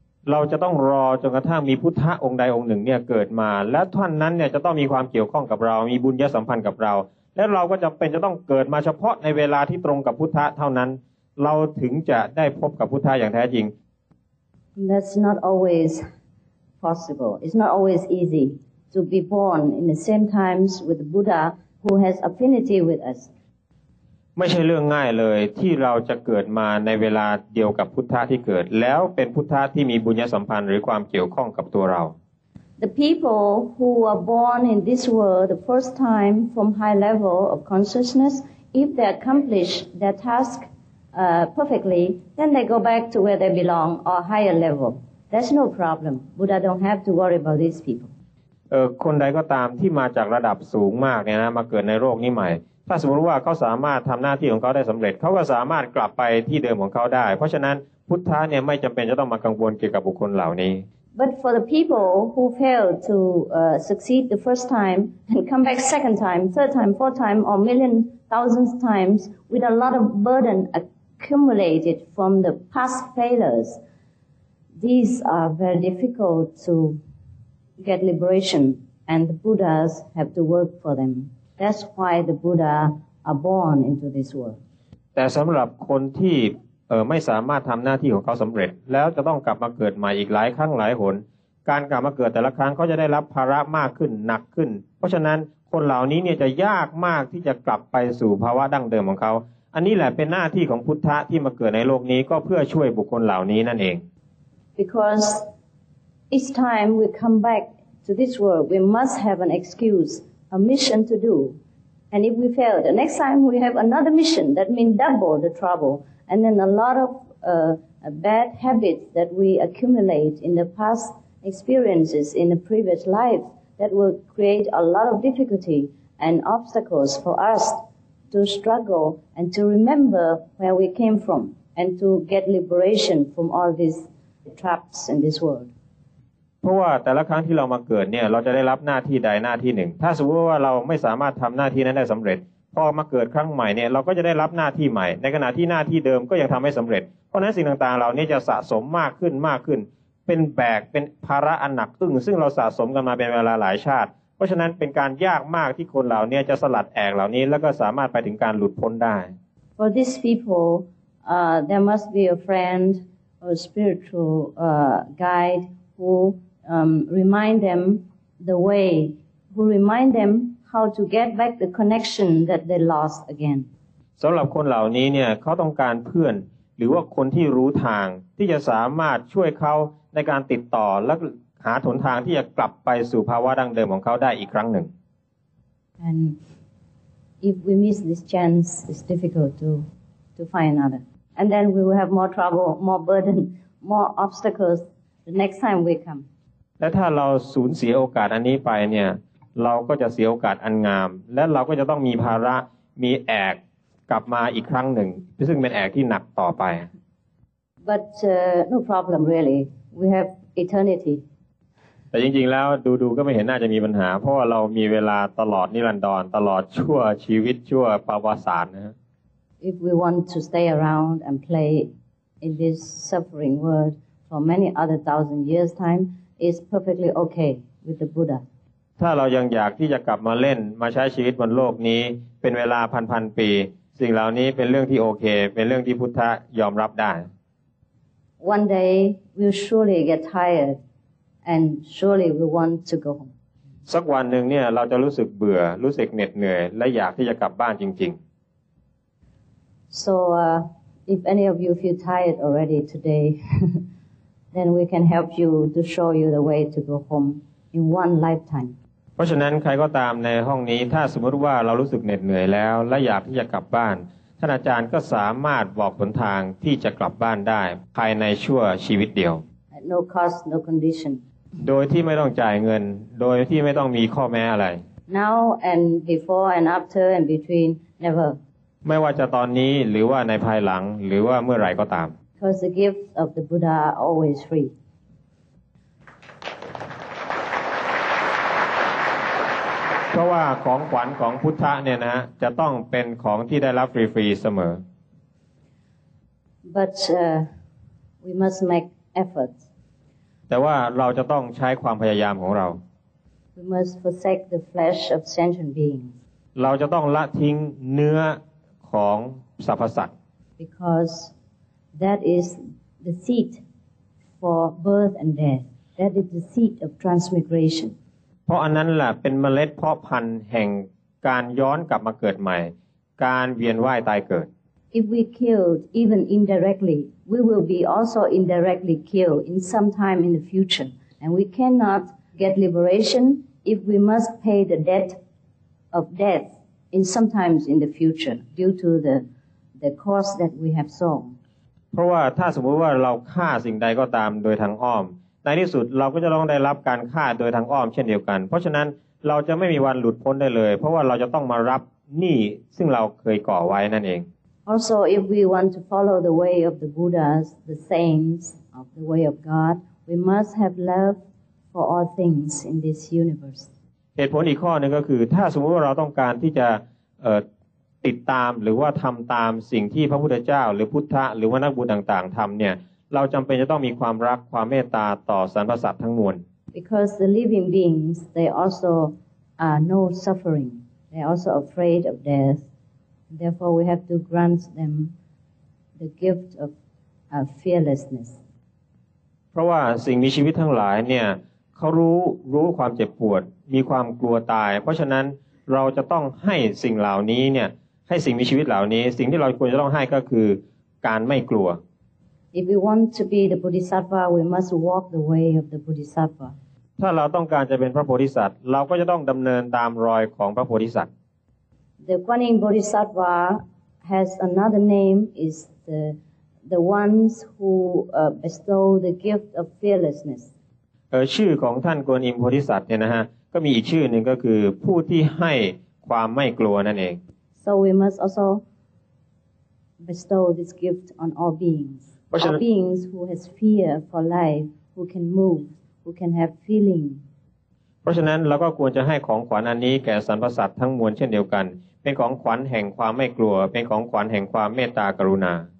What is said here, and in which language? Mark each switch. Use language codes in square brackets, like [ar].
[th] เราจะต้องรอจนกระทั่งมีพุทธะองค์ใดองค์หนึ่งเนี่ยเกิดมาและท่านนั้นเนี่ยจะต้องมีความเกี่ยวข้องกับเรามีบุญญสัมพันธ์กับเราและเราก็จะเป็นจะต้องเกิดมาเฉพาะในเวลาที่ตรงกับพุทธะเท่านั้นเราถึงจะได้พบกับพุทธะอย่างแท้จริง [en] That's not always possible. It's not always easy to be born in the same times with the Buddha who has affinity with us. [th] ไม่ใช่เรื่องง่ายเลยที่เราจะเกิดมาในเวลาเดียวกับพุทธะที่เกิดแล้วเป็นพุทธะที่มีบุญญสัมพันธ์หรือความเกี่ยวข้องกับตัวเรา [en] The people who are born in this world the first time from high level of consciousness, if they accomplish their taskperfectly, then they go back to where they belong or higher level. That's no problem. Buddha don't have to worry about these people. [th] คนใดก็ตามที่มาจากระดับสูงมากเนี่ยนะมาเกิดในโลกนี้ใหม่ถ้าสมมติว่าเขาสามารถทำหน้าที่ของเขาได้สำเร็จเขาก็สามารถกลับไปที่เดิมของเขาได้เพราะฉะนั้น พุทธะเนี่ยไม่จำเป็นจะต้องมากังวลเกี่ยวกับบุคคลเหล่านี้ [en] But for the people who failed to succeed the first time and come back second time, third time, fourth time, or million thousands times with a lot of burden accumulated from the past failures, these are very difficult to get liberation, and the Buddhas have to work for them. That's why the Buddha are born into this world. [th] แต่สำหรับคนที่ไม่สามารถทำหน้าที่ของเขาสำเร็จแล้วจะต้องกลับมาเกิดใหม่อีกหลายครั้งหลายหนการกลับมาเกิดแต่ละครั้งเขาจะได้รับภาระมากขึ้นหนักขึ้นเพราะฉะนั้นคนเหล่านี้เนี่ยจะยากมากที่จะกลับไปสู่ภาวะดั้งเดิมของเขาอันนี้แหละเป็นหน้าที่ของพุทธะที่มาเกิดในโลกนี้ก็เพื่อช่วยบุคคลเหล่านี้นั่นเอง [en] Because each time we come back to this world we must have an excuse a mission to doAnd if we fail, the next time we have another mission, that means double the trouble. And then a lot of bad habits that we accumulate in the past experiences in the previous life, that will create a lot of difficulty and obstacles for us to struggle and to remember where we came from and to get liberation from all these traps in this world. [th] เพราะว่าแต่ละครั้งที่เรามาเกิดเนี่ยเราจะได้รับหน้าที่ใดหน้าที่หนึ่งถ้าสมมติว่าเราไม่สามารถทำหน้าที่นั้นได้สำเร็จพอมาเกิดครั้งใหม่เนี่ยเราก็จะได้รับหน้าที่ใหม่ในขณะที่หน้าที่เดิมก็ยังทำไม่สำเร็จเพราะนั้นสิ่งต่างๆเหล่านี้จะสะสมมากขึ้นมากขึ้นเป็นแบกเป็นภาระอันหนักตึงซึ่งเราสะสมกันมาเป็นเวลาหลายชาติเพราะฉะนั้นเป็นการยากมากที่คนเหล่านี้จะสลัดแอกเหล่านี้แล้วก็สามารถไปถึงการหลุดพ้นได้ [en] For these people there must be a friend or spiritual guideWho remind them the way? Who remind them how to get back the connection that they lost again? [th] สำหรับคนเหล่านี้เนี่ยเขาต้องการเพื่อนหรือว่าคนที่รู้ทางที่จะสามารถช่วยเขาในการติดต่อและหาหนทางที่จะกลับไปสู่ภาวะดั้งเดิมของเขาได้อีกครั้งหนึ่ง [en] And if we miss this chance, it's difficult to find another. And then we will have more trouble, more burden, more obstacles. The next time we come. [th] และถ้าเราสูญเสียโอกาสอันนี้ไปเนี่ยเราก็จะเสียโอกาสอันงามและเราก็จะต้องมีภาระมีแอกกลับมาอีกครั้งหนึ่งซึ่งเป็นแอกที่หนักต่อไป [en] But no problem really. We have eternity. [th] แต่จริงๆแล้วดูก็ไม่เห็นน่าจะมีปัญหาเพราะว่าเรามีเวลาตลอดนิรันดรตลอดชั่วชีวิตชั่วปวสานนะ [en] If we want to stay around and play in this suffering worldFor many other thousand years time is perfectly okay with the Buddha. [th] ถ้าเรายังอยากที่จะกลับมาเล่นมาใช้ชีวิตบนโลกนี้เป็นเวลาพันปีสิ่งเหล่านี้เป็นเรื่องที่โอเคเป็นเรื่องที่พุทธะยอมรับได้ [en] One day we'll surely get tired and surely we want to go home. [th] สักวันหนึ่งเนี่ยเราจะรู้สึกเบื่อรู้สึกเหน็ดเหนื่อยและอยากที่จะกลับบ้านจริง [en] ๆ So if any of you feel tired already today. Then we can help you to show you the way to go home in one lifetime. [th] เพราะฉะนั้นใครก็ตามในห้องนี้ถ้าสมมติว่าเรารู้สึกเหน็ดเหนื่อยแล้วและอยากที่จะกลับบ้านท่านอาจารย์ก็สามารถบอกหนทางที่จะกลับบ้านได้ภายในชั่วชีวิตเดียว [en] At no cost, no condition. [th] โดยที่ไม่ต้องจ่ายเงินโดยที่ไม่ต้องมีข้อแม้อะไร [en] Now and before and after and between, never. [th] ไม่ว่าจะตอนนี้หรือว่าในภายหลังหรือว่าเมื่อไหร่ก็ตาม [en] Because the gifts of the Buddha are always free. [th] เพราะว่าของขวัญของพุทธะเนี่ยนะจะต้องเป็นของที่ได้รับฟรีๆเสม [en] อ But we must make efforts. [th] แต่ว่าเราจะต้องใช้ความพยายามของเรา [en] We must forsake the flesh of sentient beings. [th] เราจะต้องละทิ้งเนื้อของสรรพสัตว์ [en] BecauseThat is the seat for birth and death. That is the seat of transmigration. [th] เพราะอันนั้นแหละเป็นเมล็ดเพาะพันธุ์แห่งการย้อนกลับมาเกิดใหม่การเวียนว่ายตายเกิด [en] If we killed even indirectly, we will be also indirectly killed in some time in the future. And we cannot get liberation if we must pay the debt of death in sometimes in the future due to the cost that we have sown. [th] เพราะว่าถ้าสมมติว่าเราฆ่าสิ่งใดก็ตามโดยทางอ้อมในที่สุดเราก็จะต้องได้รับการฆ่าโดยทางอ้อมเช่นเดียวกันเพราะฉะนั้นเราจะไม่มีวันหลุดพ้นได้เลยเพราะว่าเราจะต้องมารับหนี้ซึ่งเราเคยก่อไว้นั่นเอง [en] Also, if we want to follow the way of the Buddhas, the saints of the way of God, we must have love for all things in this universe. [th] เหตุผลอีกข้อนึงก็คือถ้าสมมติว่าเราต้องการที่จะติดตามหรือว่าทำตามสิ่งที่พระพุทธเจ้าหรือพุทธะหรือว่านักบุญต่างๆทำเนี่ยเราจำเป็นจะต้องมีความรักความเมตตาต่อสรรพสัตว์ทั้งมวล [en] Because the living beings they also know suffering they also afraid of death therefore we have to grant them the gift of fearlessness [th] เพราะว่าสิ่งมีชีวิตทั้งหลายเนี่ยเขารู้ความเจ็บปวดมีความกลัวตายเพราะฉะนั้นเราจะต้องให้สิ่งเหล่านี้เนี่ยให้สิ่งมีชีวิตเหล่านี้สิ่งที่เราควรจะต้องให้ก็คือการไม่กลัว [en] If we want to be the Bodhisattva we must walk the way of the Bodhisattva [th] ถ้าเราต้องการจะเป็นพระโพธิสัตว์เราก็จะต้องดำเนินตามรอยของพระโพธิสัตว์ [en] The Guan Yin Bodhisattva has another name is the ones who bestow the gift of fearlessness [th] ชื่อของท่านกวนอิมโพธิสัตว์เนี่ยนะฮะก็มีอีกชื่อหนึ่งก็คือผู้ที่ให้ความไม่กลัวนั่นเอง [en] So we must also bestow this gift on all beings All beings who has fear for life who can move who can have feeling [th] เพราะฉะนั้นเราก็ควรจะให้ของขวัญอันนี้แก่สรรพสัตว์ทั้งมวลเช่นเดียวกันเป็นของขวัญแห่งความไม่กลัวเป็นของขวัญแห่งความเมตตากรุณา